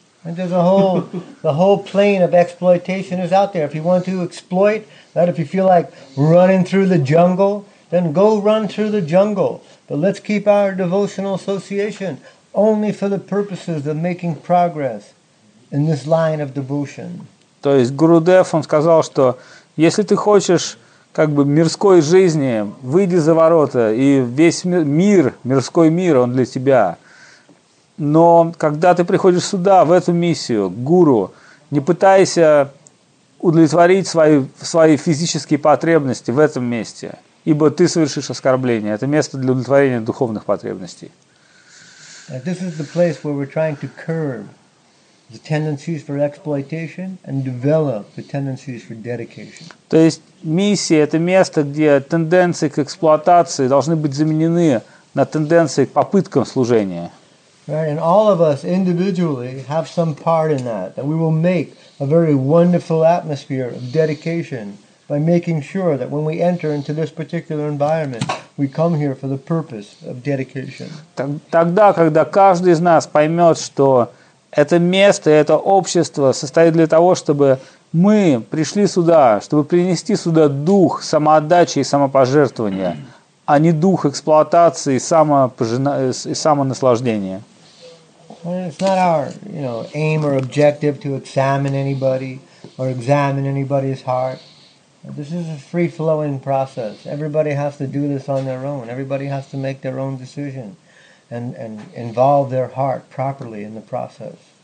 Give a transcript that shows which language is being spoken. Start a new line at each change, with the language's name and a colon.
English: And there's a whole, the whole plane of exploitation is out there. If you want to exploit, that if you feel like running through the jungle, then go run through the jungle. But let's keep our devotional association only for the purposes of making progress in this line of devotion.
Russian: То есть Гурудев, он сказал, что если ты хочешь как бы мирской жизни, выйди за ворота, и весь мир, мирской мир, он для тебя. Но когда ты приходишь сюда, в эту миссию, к гуру, не пытайся удовлетворить свои физические потребности в этом месте, ибо ты совершишь оскорбление. Это место для удовлетворения духовных потребностей.
English: This is the place where we're trying to curb the tendencies for exploitation and develop the tendencies for dedication.
Russian: То есть миссия – это место, где тенденции к эксплуатации должны быть заменены на тенденции к попыткам служения.
English: Right, and all of us individually have some part in that, that we will make a very wonderful atmosphere of dedication by making sure that when we enter into this particular environment, we come here for the purpose of dedication.
Russian: Тогда, когда каждый из нас поймет, что это место, это общество состоит для того, чтобы мы пришли сюда, чтобы принести сюда дух самоотдачи и самопожертвования, а не дух эксплуатации и самонаслаждения.
English: It's not our, you know, aim or objective to examine anybody or examine anybody's heart. This is a free-flowing process. Everybody has to do this on their own. Everybody has to make their own decision and involve their heart properly in the process.